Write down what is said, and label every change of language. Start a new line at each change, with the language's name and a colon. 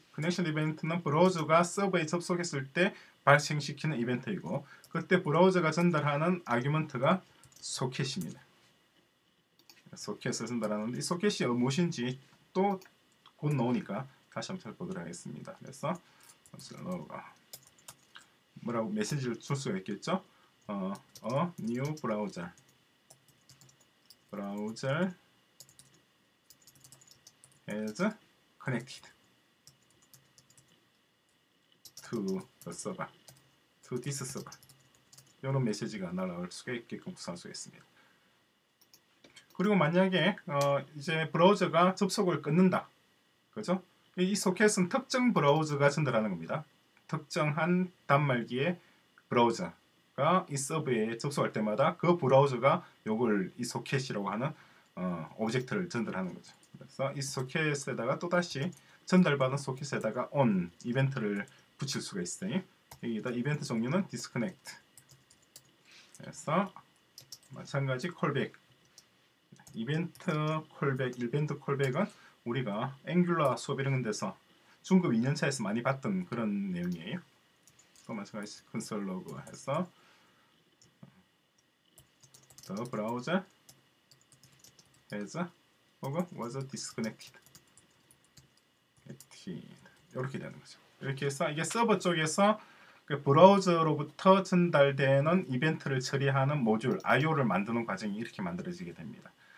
Korean: 커넥션 이벤트는 브라우저가 서버에 접속했을 때 발생시키는 이벤트이고 그때 브라우저가 전달하는 아규먼트가 소켓입니다. 소켓을 전달하는데 이 소켓이 무엇인지 또곧 나오니까 다시 한번 살펴보도록 하겠습니다. 그래서 뭐라고 메시지를 줄 수가 있겠죠?
English: a new browser has connected to the server. to this server.
Korean: 이런 메시지가 날아올 수가 있게끔 구성할 수 있습니다. 그리고 만약에 이제 브라우저가 접속을 끊는다. 그죠? 이 소켓은 특정 브라우저가 전달하는 겁니다. 특정한 단말기의 브라우저가 이 서브에 접속할 때마다 그 브라우저가 요걸 이 소켓이라고 하는 오브젝트를 전달하는 거죠. 그래서 이 소켓에다가 또다시 전달받은 소켓에다가 on 이벤트를 붙일 수가 있어요. 여기다 이벤트 종류는 disconnect. 그래서 마찬가지 콜백 이벤트 콜백은 우리가 앵귤러 수업 이런 데서 중급 2년차에서 많이 봤던 그런 내용이에요. 또 마찬가지
English: console log 해서 the browser has or was disconnected.
Korean: 이렇게 되는 거죠. 이렇게 해서 이게 서버 쪽에서 그 브라우저로부터 전달되는 이벤트를 처리하는 모듈 IO를 만드는 과정이 이렇게 만들어지게 됩니다.